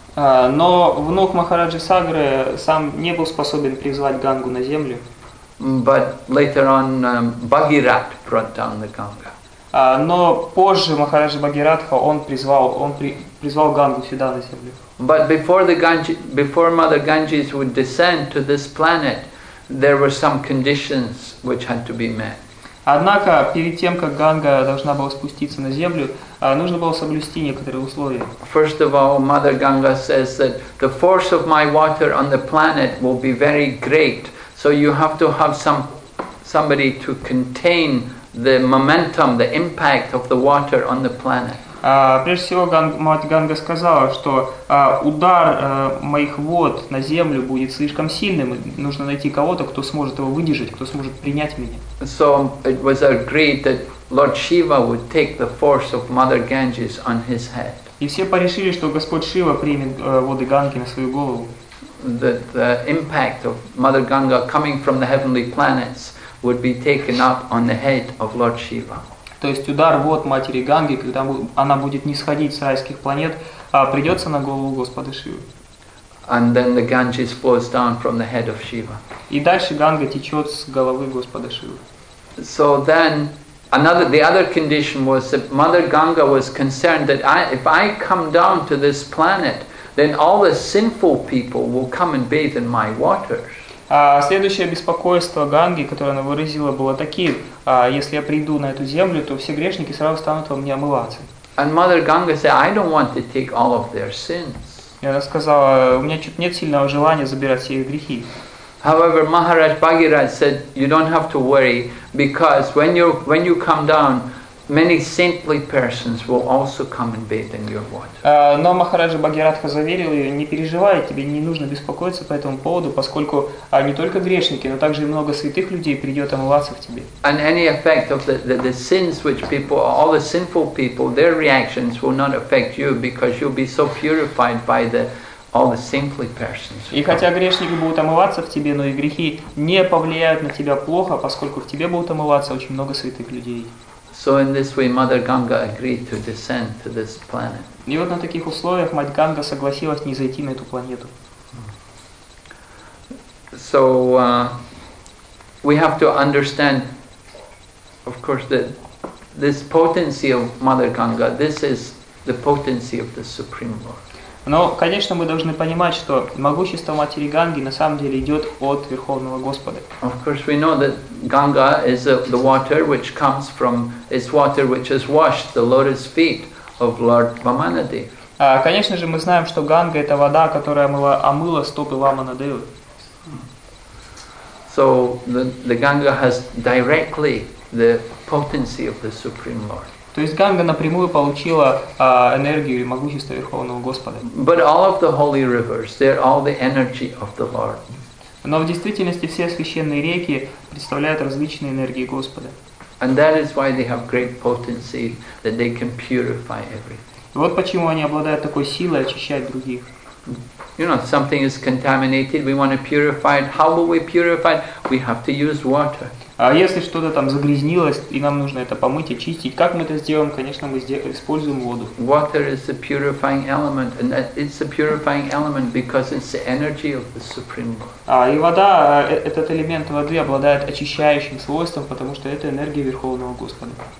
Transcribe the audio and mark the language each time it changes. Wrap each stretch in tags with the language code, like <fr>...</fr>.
<ru>Но внук Махараджи Сагры сам не был способен призвать Гангу на землю.</ru> <en>But later on, Bhagirath brought down the Ganga.</en> <ru>Но позже Махараджи Бхагиратха он призвал Гангу сюда на землю.</ru> <en>But before the Ganges, before Mother Ganges would descend to this planet, there were some conditions which had to be met.</en> <ru>Однако перед тем, как Ганга должна была спуститься на землю, нужно было соблюсти некоторые условия.</ru> <en>First of all, Mother Ganga says that the force of my water on the planet will be very great. So you have to have somebody to contain the momentum, the impact of the water on the planet.</en> <ru>Прежде всего, мать Ганга сказала, что удар моих вод на землю будет слишком сильным, и нужно найти кого-то, кто сможет его выдержать, кто сможет принять меня.</ru> <en>So it was agreed that Lord Shiva would take the force of Mother Ganges on his head.</en> <ru>И все порешили, что Господь Шива примет воды Ганги на свою голову.</ru> <en>That the impact of Mother Ganga coming from the heavenly planets would be taken up on the head of Lord Shiva.</en> <ru>То есть удар вот матери Ганги, когда она будет нисходить с райских планет, придется на голову Господа Шивы.</ru> <en>And then the Ganges flows down from the head of Shiva.</en> <ru>И дальше Ганга течет с головы Господа Шивы.</ru> <en>So then the other condition was that Mother Ganga was concerned that if I come down to this planet, then all the sinful people will come and bathe in my waters.</en> <ru>Следующее беспокойство Ганги, которое она выразила, было таким: если я приду на эту землю, то все грешники сразу станут во мне омываться.</ru> <en>And Mother Ganga said, I don't want to take all of their sins.</en> <ru>И она сказала, у меня чуть нет сильного желания забирать все их грехи.</ru> <en>However, Maharaj Bhagirath said, you don't have to worry, because when you come down, many saintly persons will also come and bathe in your water.</en> <ru>Но Махараджа Бхагиратха заверил ее, не переживай, тебе не нужно беспокоиться по этому поводу, поскольку не только грешники, но также и много святых людей придет омываться в тебе.</ru> <en>And any effect of the sins which people, all the sinful people, their reactions will not affect you, because you'll be so purified by the all the saintly persons.</en> <ru>И хотя грешники будут омываться в тебе, но и грехи не повлияют на тебя плохо, поскольку в тебе будут омываться очень много святых людей.</ru> <en>So in this way, Mother Ganga agreed to descend to this planet.</en> <ru>И вот на таких условиях мать Ганга согласилась не зайти на эту планету.</ru> <en>So we have to understand, of course, that this potency of Mother Ganga, this is the potency of the Supreme Lord.</en> <ru>Но, конечно, мы должны понимать, что могущество матери Ганги на самом деле идет от Верховного Господа.</ru> <en>Of course, we know that Ganga is the water which comes from, is water which has washed the lotus feet of Lord Vamanadeva.</en> <ru>Конечно же, мы знаем, что Ганга это вода, которая омыла стопы Ваманадевы.</ru> <en>So the Ganga has directly the potency of the Supreme Lord.</en> <ru>То есть Ганга напрямую получила энергию и могущество Верховного Господа.</ru> <en>But all of the holy rivers, they're all the energy of the Lord.</en> <ru>Но в действительности все священные реки представляют различные энергии Господа.</ru> <en>And that is why they have great potency, that they can purify everything.</en> <ru>Вот почему они обладают такой силой очищать других.</ru> <en>You know, something is contaminated, we want to purify it. How will we purify it? We have to use water.</en> <ru>А если что-то там загрязнилось, и нам нужно это помыть, очистить, как мы это сделаем? Конечно, мы используем воду.</ru> <en>Water is the purifying element, and it's the purifying element because it's the energy of the Supreme Lord.</en> <ru>А, и вода, этот элемент воды обладает очищающим свойством, потому что это энергия Верховного Господа.</ru>